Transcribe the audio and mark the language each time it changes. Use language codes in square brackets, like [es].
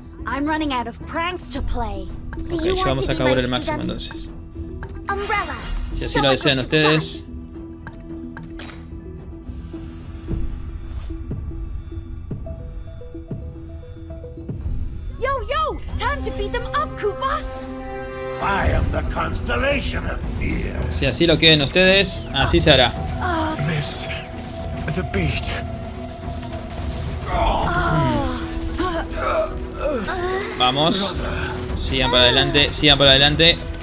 [en] I'm running out of pranks to play. [es] Okay, ya vamos a acabar el máximo entonces. [en] Umbrella. [es] Si así lo desean ustedes. [en] Yo, yo, time to beat them up, Koopa. I am the constellation of fear. [es] Si así lo quieren ustedes, así se hará. [en] Missed. [es] Vamos. Sigan para adelante, sigan para adelante.